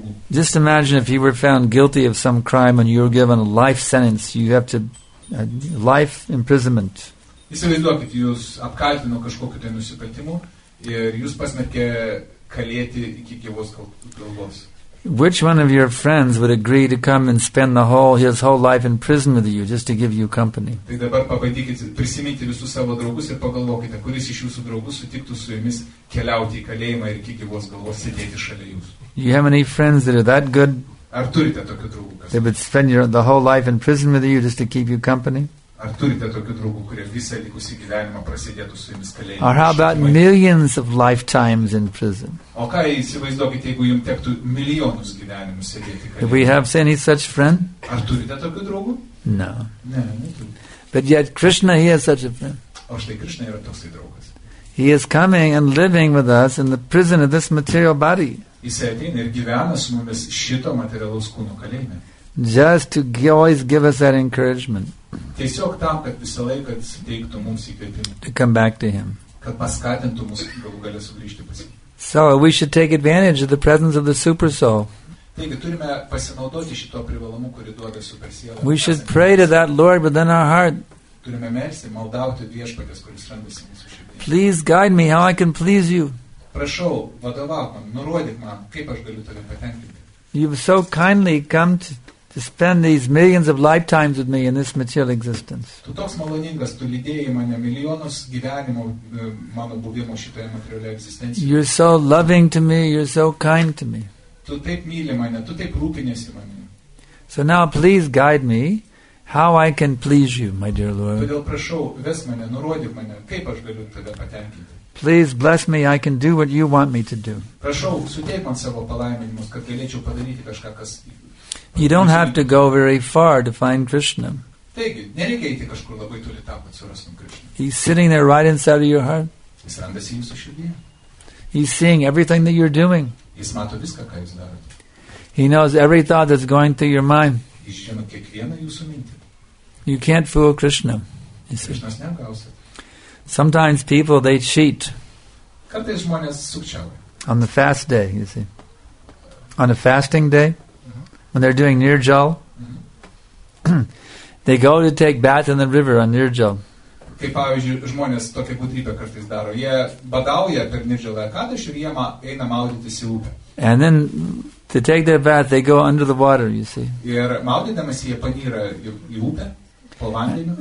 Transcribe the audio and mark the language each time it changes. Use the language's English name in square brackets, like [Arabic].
[English] Just imagine if you were found guilty of some crime and you were given a life sentence, you have to life imprisonment. [Lithuanian] Įsivaizduokit, jūs apkaltino kažkokiu tai nusikaltimu ir jūs pasmerkė kalėti iki gyvos galvos. [English] Which one of your friends would agree to come and spend the whole his whole life in prison with you just to give you company? [Lithuanian] Tai dabar pabandykit prisiminti visus savo draugus ir pagalvokite, kuris iš jūsų draugų sutiktų su jumis keliauti į kalėjimą ir iki gyvos galvos sėdėti šalia jūsų. [English] You have any friends that are that good? [Lithuanian] Ar turite tokių draugų? [English] They would spend the whole life in prison with you just to keep you company? [Lithuanian] Ar turite tokių draugų, kurie visą likusį gyvenimą prasėdėtų su jumis kalėjime? [English] Or how about millions of lifetimes in prison? [Lithuanian] O ką įsivaizduokite, jeigu jums tektų milijonus gyvenimų sėdėti kalėjime? [English] Do we have any such friend? [Lithuanian] Ar turite tokių draugų? [English] No. [Lithuanian] Ne, neturite. [English] But yet Krishna, he has such a friend. [Lithuanian] O štai Krishna yra toksai draugas. [English] He is coming and living with us in the prison of this material body. [Lithuanian] Jis ateina ir gyvena su mumis šito materialaus kūno kalėjime. [English] Just to always give us that encouragement. [Lithuanian] Tiesiog tam, kad visą laiką suteiktų mums įkvėpimą. [English] To come back to him. [Lithuanian] Kad paskatintų mus galų gale sugrįžti pas jį. [English] So we should take advantage of the presence of the super soul. [Lithuanian] Taigi turime pasinaudoti šito privalumu, kurį duoda super siela. [English] We should pray to that Lord within our heart. [Lithuanian] Turime melsti, maldauti viešpaties, kuris randasi mūsų širdyje. [English] Please guide me how I can please you. [Lithuanian] Prašau, vadovauk man, nurodyk man, kaip aš galiu tave patenkinti. [English] You've so kindly come to spend these millions of lifetimes with me in this material existence. [Lithuanian] Tu toks maloningas, tu lydėjai mane milijonus gyvenimo mano buvimo šitoje materialioje egzistencijoje. [English] You're so loving to me, you're so kind to me. [Lithuanian] Tu taip myli mane, tu taip rūpiniesi mane. [English] So now please guide me how I can please you, my dear Lord. [Lithuanian] Todėl prašau, ves mane, nurodyk mane, kaip aš galiu tave patenkinti. [English] Please bless me, I can do what you want me to do. [Lithuanian] Prašau, suteik man savo palaiminimus, kad galėčiau padaryti kažką, kas... [English] You don't have to go very far to find Krishna. [Lithuanian] Taigi, nereikia eiti kažkur labai toli tam, kad surastum Krishna. [English] He's sitting there right inside of your heart. [Lithuanian] Jis randasi jūsų širdyje. [English] He's seeing everything that you're doing. [Lithuanian] Jis mato viską, ką jūs darote. [English] He knows every thought that's going through your mind. [Lithuanian] Jis žino kiekvieną jūsų mintį. [English] You can't fool Krishna. [Lithuanian] Krishnas neapgausit. [English] Sometimes people, they cheat. [Lithuanian] Kartais žmonės sukčiauja. [English] On the fast day, you see. On a fasting day. When they're doing nirjal, they go to take bath in the river on nirjal. [Lithuanian] Kaip pavyzdžiui, žmonės tokia gudrybė kartais daro. Jie badauja per nirjalą kadaš ir jie eina maudytis į upę. [English] And then to take their bath, they go under the water, you see. [Lithuanian] Ir maudydamasi jie panyra į upę, po vandeniu.